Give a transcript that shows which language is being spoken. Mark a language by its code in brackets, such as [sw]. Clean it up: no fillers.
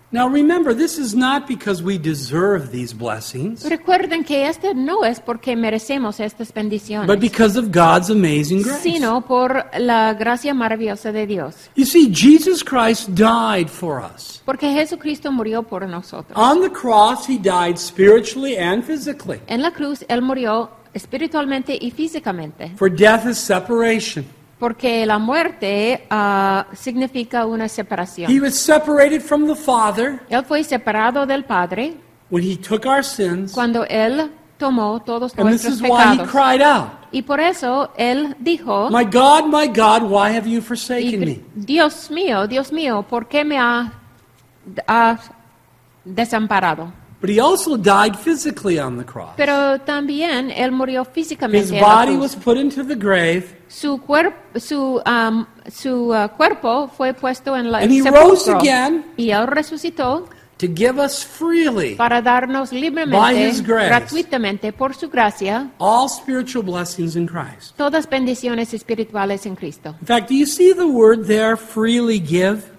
[en] Now remember, this is not because we deserve these blessings. [es] Recuerden que este no es porque merecemos estas bendiciones. [en] But because of God's amazing grace. [es] Sino por la gracia maravillosa de Dios. [en] You see, Jesus Christ died for us. [es] Porque Jesucristo murió por nosotros. [en] On the cross, he died spiritually and physically. [es] En la cruz, él murió espiritualmente y físicamente. [en] For death is separation. [es] Porque la muerte significa una separación. [en] He was separated from the Father. [es] Él fue separado del Padre. [en] When he took our sins. [es] Cuando él tomó todos [en] and [es] nuestros [en] this is [es] pecados. [en] Why he cried out. [es] Y por eso él dijo, [en] my God, why have you forsaken me? [es] Dios mío, ¿por qué me ha desamparado? [en] But he also died physically on the cross. [es] Pero también él murió físicamente [en] His body was put into the grave. [es] Su cuerpo fue puesto en la [en] and he [es] sepulcro. [en] Rose again [es] y él resucitó [en] to give us freely [es] para darnos libremente, [en] by his grace, [es] gratuitamente por su gracia, [en] all spiritual blessings in Christ. [es] Todas bendiciones espirituales en Cristo. [en] In fact, do you see the word there, freely give?